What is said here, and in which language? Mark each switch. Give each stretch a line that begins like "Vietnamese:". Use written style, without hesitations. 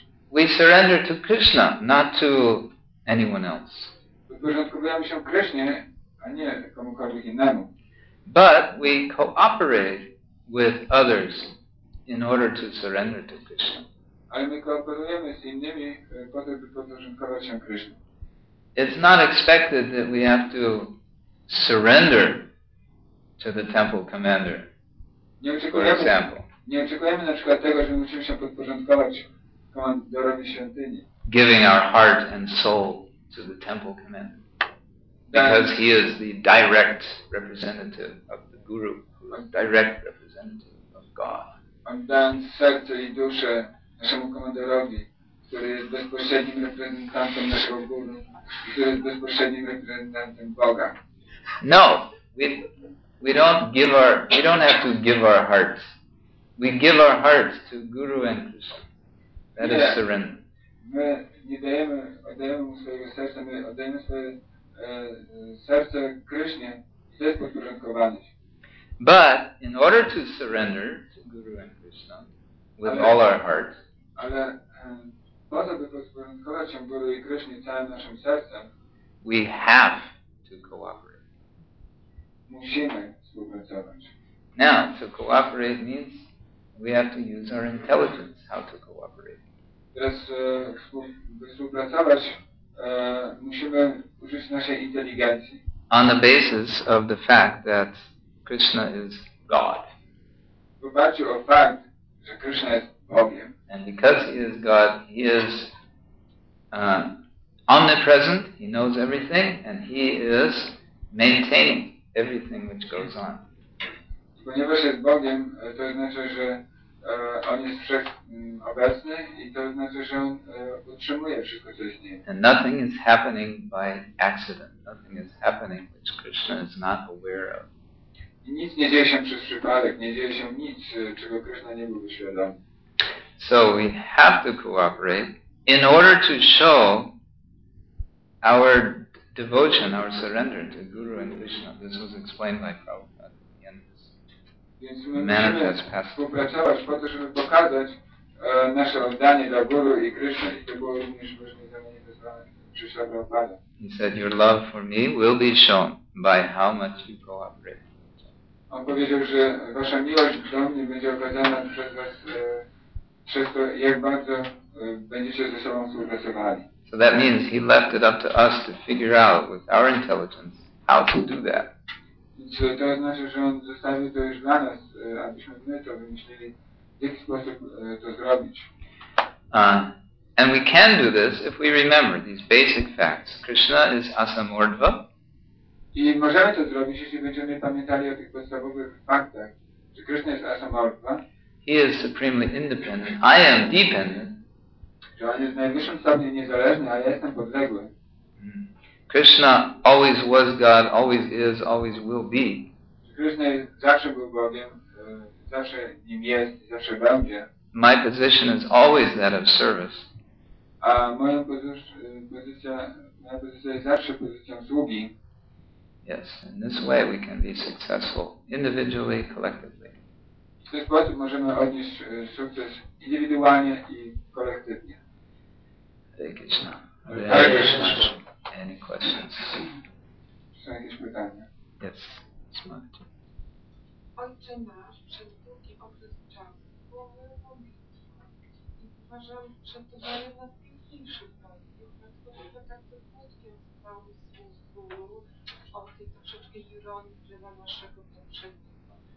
English: We surrender to Krishna, not to anyone else.
Polish: Podporządkowujemy się Krishnie, a nie komukolwiek innemu.
English: But we cooperate with others in order to surrender to Krishna.
Polish: Ale my kooperujemy z innymi po to, by podporządkować się Krishna.
English: It's not expected that we have to surrender to the temple commander, for example.
Polish: Nie oczekujemy na przykład tego, że musimy się podporządkować komandorowi świątyni.
English: Giving our heart and soul to the temple commander, because he is the direct representative of the guru, who is direct representative of God.
Polish: oddając serce i duszę naszemu komandorowi, który jest bezpośrednim reprezentantem naszego guru, który jest bezpośrednim reprezentantem Boga.
English: No, we don't have to give our hearts. We give our hearts to Guru and Krishna. That
Polish: nie.
English: Is surrender.
Polish: My nie dajemy, oddajemy mu swojego serca, my oddajemy swoje serce Krishnie, to jest podporządkowanie się.
English: But in order to surrender to Guru and Krishna with all our hearts,
Polish: ale po to, by podporządkować się Guru i Krishnie całym naszym sercem,
English: we have to cooperate.
Polish: Musimy współpracować.
English: Now, to cooperate means we have to use our intelligence how to cooperate.
Polish: Teraz, by współpracować, musimy użyć naszej inteligencji.
English: On the basis of the fact that Krishna is God.
Polish: W oparciu o fakt, że Krishna jest Bogiem.
English: And because He is God, He is omnipresent, He knows everything, and He is maintaining everything which goes on.
Polish: Ponieważ jest Bogiem, to znaczy, że On jest wszechobecny i to znaczy, że On utrzymuje wszystko, co istnieje.
English: And nothing is happening by accident. Nothing is happening which Krishna is not aware of.
Polish: I nic nie dzieje się przez przypadek, nie dzieje się nic, czego Krishna nie byłby świadomy.
English: So we have to cooperate in order to show our devotion, our surrender to Guru and Krishna. This was explained by Prabhupada.
Polish: Więc my musimy współpracować po to, żeby pokazać nasze oddanie dla Guru i Krishna. I to było również ważne zamienione przez Prabhupada.
English: He said, your love for me will be shown by how much you cooperate.
Polish: On powiedział, że wasza miłość do mnie będzie okazana przez was przez to, jak bardzo będziecie ze sobą współpracowali.
English: So that means he left it up to us to figure out with our intelligence how to do that.
Polish: Więc to oznacza, że on zostawił to już dla nas, abyśmy my to wymyślili, w jaki sposób to zrobić.
English: And we can do this if we remember these basic facts. Krishna is Asamordva.
Polish: I możemy to zrobić, jeśli będziemy pamiętali o tych podstawowych faktach, że Krishna jest Asamordva.
English: He is supremely independent. I am dependent.
Polish: Że on jest w najwyższym stopniu niezależny, a ja jestem podległy.
English: Krishna always was God, always is, always will be.
Polish: Krishna zawsze był Bogiem, zawsze nim jest, zawsze będzie.
English: My position is always that of service.
Polish: A moja pozycja jest zawsze pozycją sługi.
English: Yes, in this way we can be successful individually, collectively.
Polish: W ten sposób możemy odnieść sukces indywidualnie i kolektywnie.
English: Hare Krishna. Hare Krishna. Any questions? Yes, it's Mahatma.
Polish: Ojcze nasz, przez długi okres czasu głowę modlitwa i uważam, że to daje nas piękniejszy prawdziw, dlatego że tak to krótkie zostały słów Guru o tej troszeczkę ironii dla naszego poprzednika.